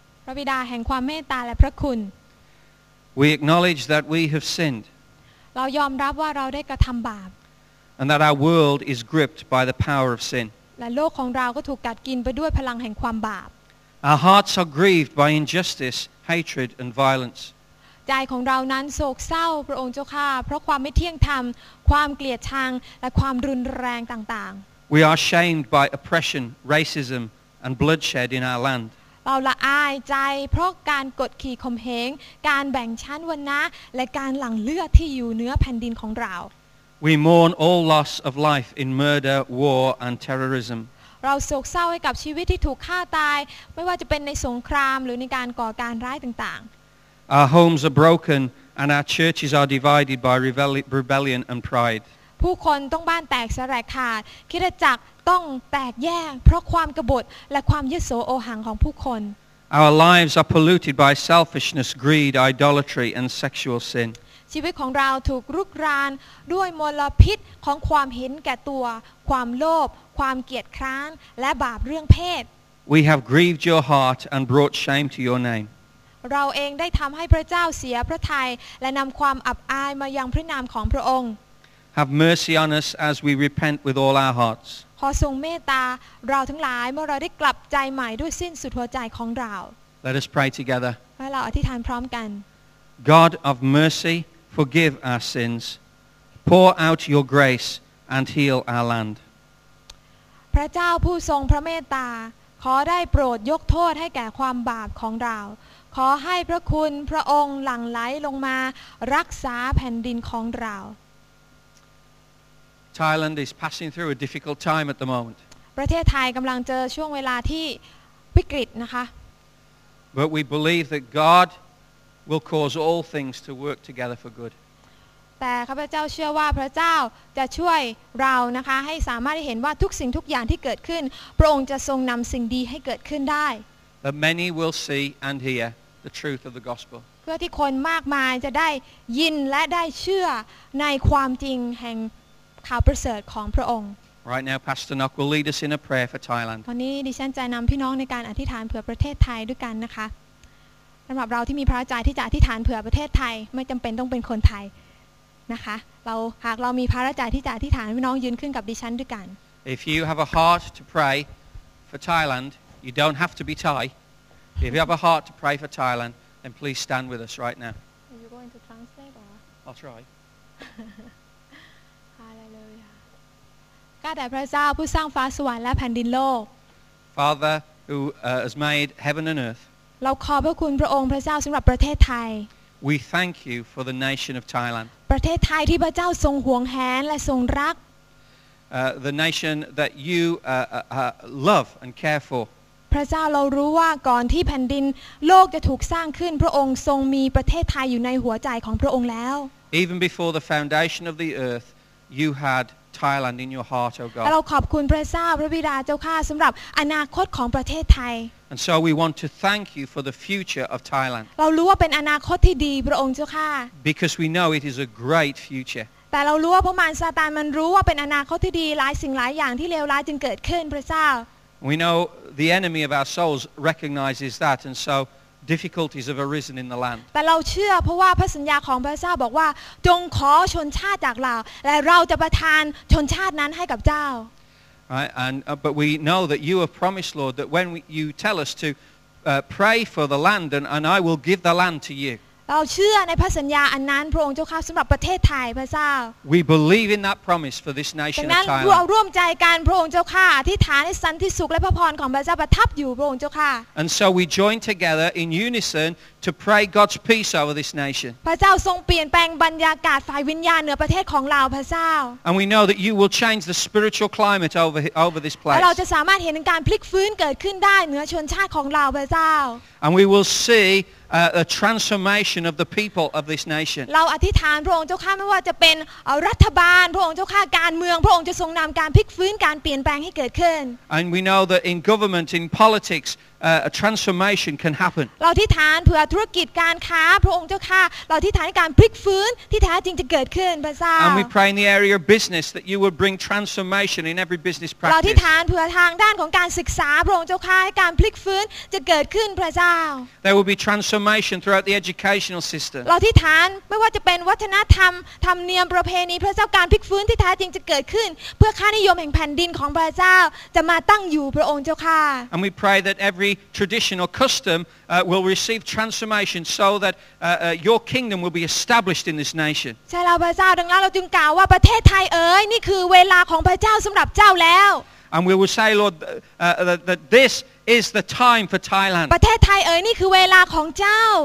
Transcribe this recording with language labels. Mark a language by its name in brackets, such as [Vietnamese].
[Thai] พระบิดาแห่งความเมตตาและพระคุณ [English] We acknowledge that we have sinned. [Thai] เรายอมรับว่าเราได้กระทำบาป [English] And that our world is gripped by the power of sin. [Thai] และโลกของเราก็ถูกกัดกินไปด้วยพลังแห่งความบาป [English] Our hearts are grieved by injustice, hatred, and violence. [Thai] ใจของเรานั้นโศกเศร้าพระองค์เจ้าข้าเพราะความไม่เที่ยงธรรมความเกลียดชังและความรุนแรงต่าง [English] ๆ We are shamed by oppression, racism, and bloodshed in our land. [Thai] เราละอายใจเพราะการกดขี่ข่มเหงการแบ่งชั้นวรรณะและการหลั่งเลือดที่อยู่เนื้อแผ่นดินของเรา [English] We mourn all loss of life in murder, war and terrorism. [Thai] เราโศกเศร้าให้กับชีวิตที่ถูกฆ่าตายไม่ว่าจะเป็นในสงครามหรือในการก่อการร้ายต่าง [English] ๆ Our homes are broken and our churches are divided by rebellion and pride. [Thai] ผู้คนต้องบ้านแตกสลายขาดคริสตจักรต้องแตกแยกเพราะความกบฏและความยโสโอหังของผู้คน [English] Our lives are polluted by selfishness, greed, idolatry and sexual sin. [Thai] ชีวิตของเราถูกรุกรานด้วยมลพิษของความเห็นแก่ตัวความโลภความเกียจคร้านและบาปเรื่องเพศ [English] We have grieved your heart and brought shame to your name. [Thai] เราเองได้ทำให้พระเจ้าเสียพระทัยและนำความอับอายมายังพระนามของพระองค์ [English] Have mercy on us as we repent with all our hearts [Thai] ขอทรงเมตตาเราทั้งหลายเมื่อเราได้กลับใจใหม่ด้วยสิ้นสุดหัวใจของเรา [English] Let us pray together. [Thai] ให้เราอธิษฐานพร้อมกัน [English] God of mercy, forgive our sins. Pour out your grace and heal our land. [Thai] พระเจ้าผู้ทรงพระเมตตาขอได้โปรดยกโทษให้แก่ความบาปของเราขอให้พระคุณพระองค์หลั่งไหลลงมารักษาแผ่นดินของเรา [English] Thailand is passing through a difficult time at the moment. [Thai] ประเทศไทยกำลังเจอช่วงเวลาที่วิกฤตนะคะ [English] But we believe that God will cause all things to work together for good. [Thai] แต่ข้าพเจ้าเชื่อว่าพระเจ้าจะช่วยเรานะคะให้สามารถเห็นว่าทุกสิ่งทุกอย่างที่เกิดขึ้นพระองค์จะทรงนำสิ่งดีให้เกิดขึ้นได้ [English] But many will see and hear the truth of the gospel. [Thai] เพื่อที่คนมากมายจะได้ยินและได้เชื่อในความจริงแห่งข่าวประเสริฐของพระองค์ [English] Right now Pastor Nock will lead us in a prayer for Thailand [Thai] วันนี้ดิฉันจะนำพี่น้องในการอธิษฐานเผื่อประเทศไทยด้วยกันนะคะสำหรับเราที่มีพระใจที่จะอธิษฐานเผื่อประเทศไทยไม่จำเป็นต้องเป็นคนไทยนะคะเราหากเรามีพระใจที่จะอธิษฐานพี่น้องยืนขึ้นกับดิฉันด้วยกัน [English] If you have a heart to pray for Thailand you don't have to be Thai If you have a heart to pray for Thailand then please stand with us right now Are you going to translate or I'll try [Thai] ข้าแต่พระเจ้าผู้สร้างฟ้าสวรรค์และแผ่นดินโลก [English] Father who has made heaven and earth [Thai] เราขอบพระคุณพระองค์พระเจ้าสำหรับประเทศไทย [English] We thank you for the nation of Thailand [Thai] ประเทศไทยที่พระเจ้าทรงหวงแหนและทรงรัก [English] the nation that you love and care for [Thai] พระเจ้าเรารู้ว่าก่อนที่แผ่นดินโลกจะถูกสร้างขึ้นพระองค์ทรงมีประเทศไทยอยู่ในหัวใจของพระองค์แล้ว [English] Even before the foundation of the earth you hadThailand in your heart, O God. [Thai] เราขอบคุณพระเจ้าพระบิดาเจ้าข้าสำหรับอนาคตของประเทศไทย [English] And so we want to thank you for the future of Thailand. [Thai] เรารู้ว่าเป็นอนาคตที่ดีพระองค์เจ้าข้า [English] Because we know it is a great future. [Thai] แต่เรารู้ว่าพระมารซาตานมันรู้ว่าเป็นอนาคตที่ดีหลายสิ่งหลายอย่างที่เลวร้ายจึงเกิดขึ้นพระเจ้า [English] We know the enemy of our souls recognizes that, and so. Difficulties have arisen in the land. [Thai] แต่เราเชื่อเพราะว่าพระสัญญาของพระเจ้าบอกว่าจงขอชนชาติจากเราและเราจะประทานชนชาตินั้นให้กับเจ้า [English] Right, and but we know that you have promised, Lord, that when you tell us to pray for the land, and I will give the land to you. [Thai] เราเชื่อในพระสัญญาอันนั้นพระองค์เจ้าข้าสำหรับประเทศไทยพระเจ้า [English] We believe in that promise for this nation. [Thai] ดังนั้นเราร่วมใจกันพระองค์เจ้าข้าที่ฐานสันติสุขและพระพรของพระเจ้าประทับอยู่พระองค์เจ้าข้า [English] And so we join together in unison to pray God's peace over this nation. [Thai] พระเจ้าทรงเปลี่ยนแปลงบรรยากาศฝ่ายวิญญาณเหนือประเทศของเราพระเจ้า [English] And we know that you will change the spiritual climate over this place. [Thai] เราจะสามารถเห็นการพลิกฟื้นเกิดขึ้นได้เหนือชนชาติของเราพระเจ้า [English] And we will see a transformation of the people of this nation. [Thai] เราอธิษฐานพระองค์เจ้าข้าไม่ว่าจะเป็นรัฐบาลพระองค์เจ้าข้าการเมืองพระองค์จะทรงนำการพลิกฟื้นการเปลี่ยนแปลงให้เกิดขึ้น [English] And we know that in government, in politics, a transformation can happen. [Thai] เราอธิษฐานเพื่อธุรกิจการค้าพระองค์เจ้าค่ะเราอธิษฐานให้การพลิกฟื้นที่แท้จริงจะเกิดขึ้นพระเจ้า [English] And we pray in the area of business that you would bring transformation in every business practice. [Thai] เราอธิษฐานเพื่อทางด้านของการศึกษาพระองค์เจ้าค่ะให้การพลิกฟื้นจะเกิดขึ้นพระเจ้า [English] There will be transformation throughout the educational system. [Thai] เราอธิษฐานไม่ว่าจะเป็นวัฒนธรรมธรรมเนียมประเพณีพระเจ้าการพลิกฟื้นที่แท้จริงจะเกิดขึ้นเพื่อค่านิยมแห่งแผ่นดินของพระเจ้าจะมาตั้งอยู่พระองค์เจ้าค่ะ [English] And we pray that every tradition or custom will receive transformation so that your kingdom will be established in this nation. [Thai] ใช่แล้วพระเจ้าดังนั้นเราจึงกล่าวว่าประเทศไทยเอ๋ยนี่คือเวลาของพระเจ้าสําหรับเจ้าแล้ว [English] And we will say Lord that this is the time for Thailand. [Thai] ประเทศไทยเอ๋ยนี่คือเวลาของเจ้า